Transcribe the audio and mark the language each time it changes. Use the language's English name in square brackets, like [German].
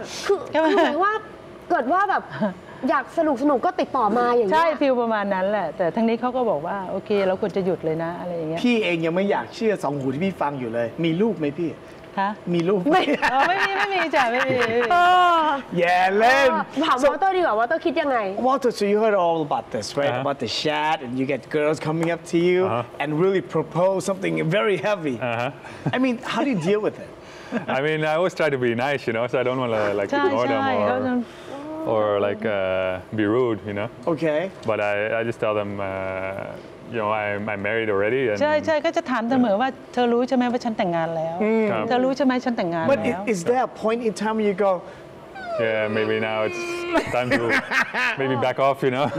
[Thai] คือหมายว่าเกิดว่าแบบอยากสนุกสนุกก็ติดต่อมาอย่าง นี้ใช่ฟิลประมาณนั้นแหละแต่ทั้งนี้เขาก็บอกว่าโอเคเราควรจะหยุดเลยนะอะไรอย่างเงี้ย พี่เองยังไม่อยากเชื่อสองหูที่พี่ฟังอยู่เลยมีลูกไหมพี่ ฮะ มีลูก ไม่ไม่มีจ้ะไม่มี แย่เล่น ถามวอเตอร์ดีกว่าวอเตอร์คิดยังไง [English] วอเตอร์ so you heard all about this right about the chat and you get girls coming up to you and really propose something very heavy I mean how do you deal with it I mean I always try to be nice you know so I don't want to like ignore them or like be rude you know okay but I just tell them You know, I'm married already. [Thai] ใช่ใช่ก็จะถามเสมอว่าเธอรู้ใช่ไหมว่าฉันแต่งงานแล้วเธอรู้ใช่ไหมฉันแต่งงานแล้ว [English] But is there a point in time you go? Yeah, maybe now it's time to maybe back off, you know?